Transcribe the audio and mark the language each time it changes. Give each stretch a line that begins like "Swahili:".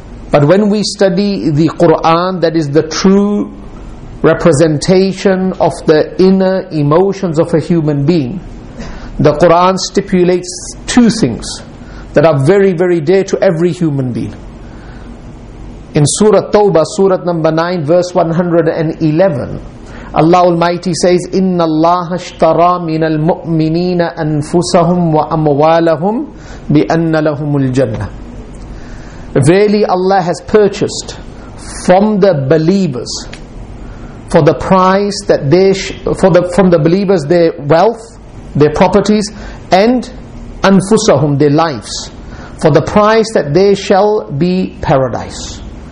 English: But when we study the Quran, that is the true representation of the inner emotions of a human being. The Quran stipulates two things that are very, very dear to every human being. In Surah Tawbah, Surah number 9, verse 111, Allah Almighty says,
Arabic: إِنَّ اللَّهَ اشْتَرَى مِنَ الْمُؤْمِنِينَ أَنفُسَهُمْ وَأَمْوَالَهُمْ بِأَنَّ لَهُمُ الْجَنَّةِ.
English: Verily Allah has purchased from the believers for the price that they from the believers their wealth, their properties, and أَنفُسَهُمْ, their lives, for the price that they shall be paradise.